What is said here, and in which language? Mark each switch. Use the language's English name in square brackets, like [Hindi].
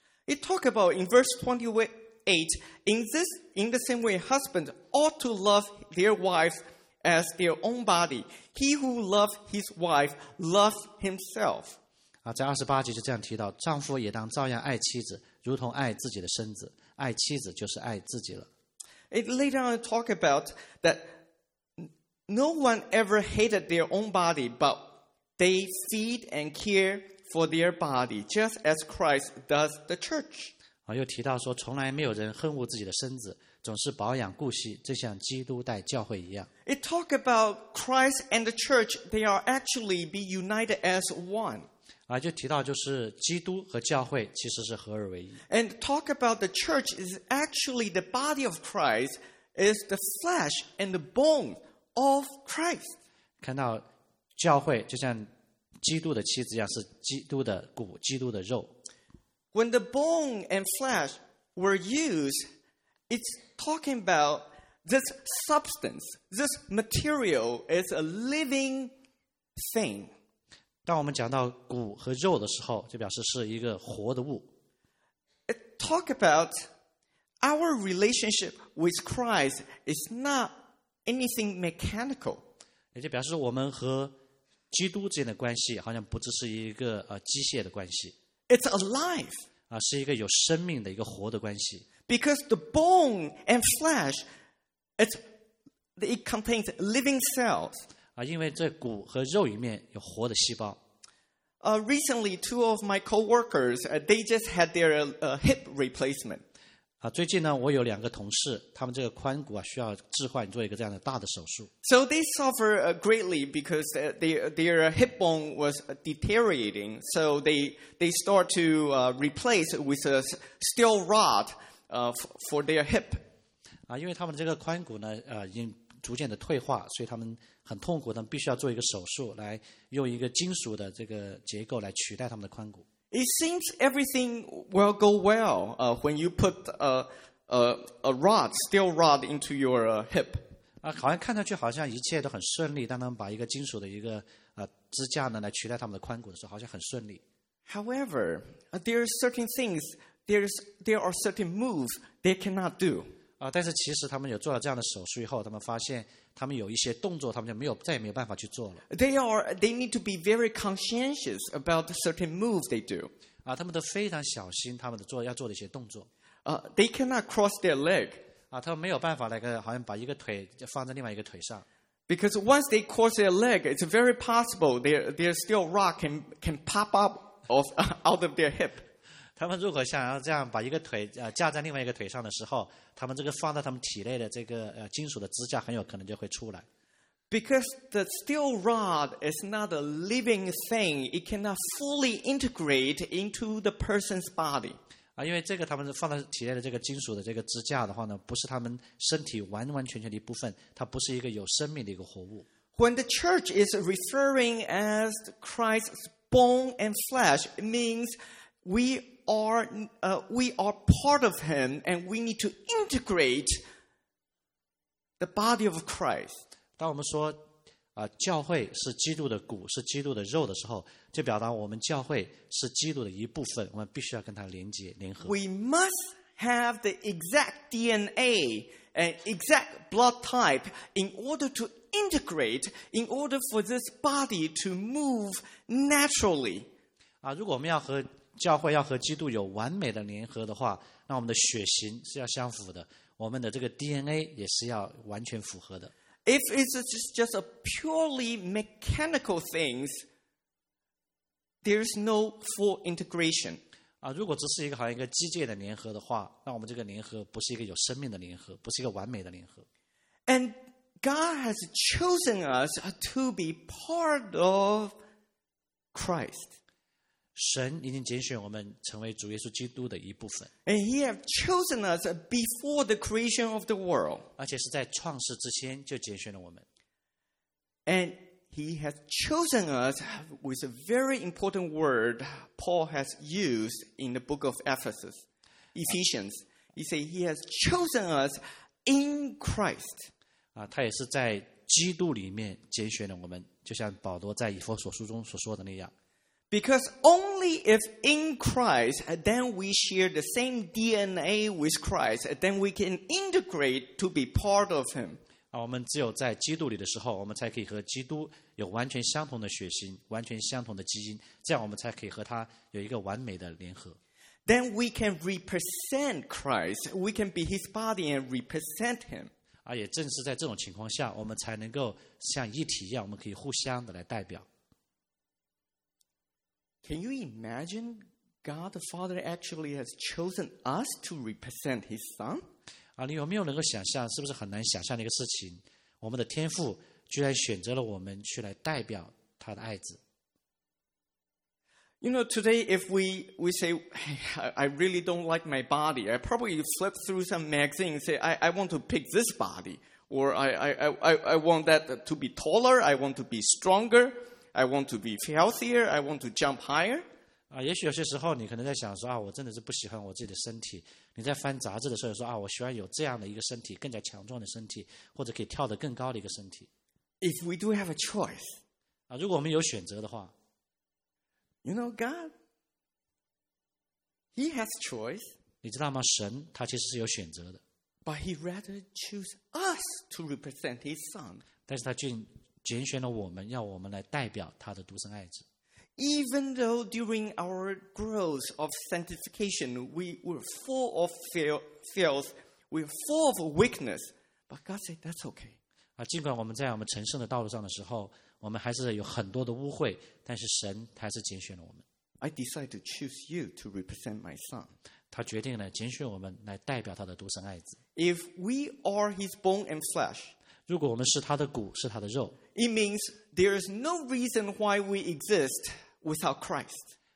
[English] It talk about in verse 28, in the same way, husbands ought to love their wife as their own body. He who loves his wife loves himself. [Chinese] 在二十八节就这样提到，丈夫也当照样爱妻子，如同爱自己的身子，爱妻子就是爱自己了。 [English] It later on talk about that no one ever hated their own body, but they feed and care for their body, just as Christ does the church. [Chinese] 又提到说，从来没有人恨恶自己的身子，总是保养顾惜，就像基督待教会一样。 [English] It talk about Christ and the church, they are actually be united as one. [Chinese] 就提到就是基督和教会其实是合而为一。 [English] And talk about the church is actually the body of Christ is the flesh and the bone of Christ. [Chinese] 看到教会就像基督的妻子一样，是基督的骨，基督的肉。 [English] When the bone and flesh were used, it's talking about this substance, this material is a living thing. [Chinese] 当我们讲到骨和肉的时候，就表示是一个活的物。 [English] Talk about our relationship with Christ is not anything mechanical. [Chinese] 也就表示我们和基督之间的关系好像不只是一个机械的关系。 [English] It's alive. [Chinese] 是一个有生命的一个活的关系。 [English] Because the bone and flesh, it contains living cells. [Chinese] 因为这骨和肉里面有活的细胞。 [English] Recently, two of my coworkers, they just had their hip replacement. [Chinese] 最近呢，我有两个同事，他们这个髋骨需要置换，做一个这样的大的手术。 [English] So they suffer greatly because their hip bone was deteriorating. So they start to replace with a steel rod for their hip. [Chinese] 因为他们这个髋骨呢，已经逐渐的退化，所以他们很痛苦，他们必须要做一个手术，来用一个金属的这个结构来取代他们的髋骨。 [English] It seems everything will go well, when you put a rod, steel rod into your hip. [Chinese] 好像看上去好像一切都很顺利，当他们把一个金属的一个支架呢来取代他们的髋骨的时候，好像很顺利。 [English] However, there are certain things, there are certain moves they cannot do. [Chinese] 但是其实他们有做了这样的手术以后，他们发现他们有一些动作他们就没有再也没有办法去做了。 [English] They need to be very conscientious about certain moves they do. [Chinese] 他们都非常小心他们的要做的一些动作。 [English] They cannot cross their leg. [Chinese] 他们没有办法那个好像把一个腿放在另外一个腿上。 [English] Because once they cross their leg, it's very possible their steel rod can pop up out of their hip. [Chinese] 他们如果想要这样把一个腿架在另外一个腿上的时候，他们这个放在他们体内的这个金属的支架很有可能就会出来。 [English] Because the steel rod is not a living thing, it cannot fully integrate into the person's body. [Chinese] 因为这个他们放在体内的这个金属的这个支架的话呢，不是他们身体完完全全的一部分，它不是一个有生命的一个活物。 [English] When the church is referring as Christ's bone and flesh, it means we are part of him, and we need to integrate the body of Christ. [Chinese] 当我们说教会是基督的骨，是基督的肉的时候，就表达我们教会是基督的一部分，我们必须要跟他连接联合。 [English] We must have the exact DNA and exact blood type in order to integrate, in order for this body to move naturally. [Chinese] 如果我们要和教会要和基督有完美的联合的话，那我们的血型是要相符的，我们的这个 DNA 也是要完全符合的。 [English] If it's just a purely mechanical things, there's no full integration. [Chinese] 如果只是一个好像一个机械的联合的话，那我们这个联合不是一个有生命的联合，不是一个完美的联合。 [English] And God has chosen us to be part of Christ. [Chinese] 神已经拣选我们成为主耶稣基督的一部分。 [English] And he has chosen us before the creation of the world. [Chinese] 而且是在创世之前就拣选了我们。 [English] And he has chosen us with a very important word Paul has used in the book of Ephesians. He says he has chosen us in Christ. [Chinese] 他也是在基督里面拣选了我们，就像保罗在以弗所书中所说的那样。 [English] Because only if in Christ, then we share the same DNA with Christ, then we can integrate to be part of Him. [Chinese] 我们只有在基督里的时候，我们才可以和基督有完全相同的血型，完全相同的基因，这样我们才可以和他有一个完美的联合。 [English] Then we can represent Christ. We can be His body and represent Him. [Chinese] 也正是在这种情况下，我们才能够像一体一样，我们可以互相的来代表。 [English] Can you imagine God the Father actually has chosen us to represent His Son? [Chinese] 你有没有能够想象，是不是很难想象的一个事情？我们的天父居然选择了我们去来代表他的爱子。 [English] You know, today if we say, I really don't like my body, I probably flip through some magazine and say, I want to pick this body, or I want that to be taller, I want to be stronger. I want to be healthier. I want to jump higher. [Chinese] 也许有些时候你可能在想说，我真的是不喜欢我自己的身体。你在翻杂志的时候说，我喜欢有这样的一个身体，更加强壮的身体，或者可以跳得更高的一个身体。 [English] If we do have a choice. [Chinese] 如果我们有选择的话。 [English] You know, God, He has choice. [Chinese] 你知道吗？神他其实是有选择的。 [English] But He rather choose us to represent His Son. [Chinese] 但是他却拣选了我们，要我们来代表他的独生爱子。 [English] Even though during our growth of sanctification, we were full of failures, we were full of weakness, but God said that's okay. [Chinese] 尽管我们在我们成圣的道路上的时候，我们还是有很多的污秽，但是神还是拣选了我们。 [English] I decide to choose you to represent my son. [Chinese] 他决定了拣选我们来代表他的独生爱子。 [English] If we are his bone and flesh. [Chinese] 如果我们是他的骨，是他的肉， [English] It means there is no reason why we exist without Christ.